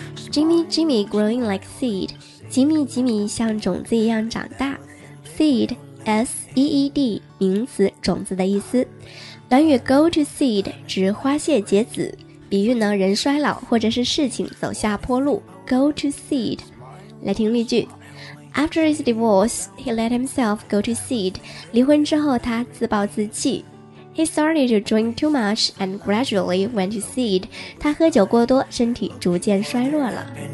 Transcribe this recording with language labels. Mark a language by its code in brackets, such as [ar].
[en] Jimmy, Jimmy, growing like seed. [zh] Jimmy, Jimmy, 像种子一样长大。Seed, S-E-E-D, 名词，种子的意思。短语 [en] go to seed [zh] 指花谢结子，比喻呢人衰老或者是事情走下坡路。 [en] Go to seed. [zh] 来听例句。 [en] After his divorce, he let himself go to seed. [zh] 离婚之后，他自暴自弃。 [en] He started to drink too much and gradually went to seed. [zh] 他喝酒过多，身体逐渐衰弱了。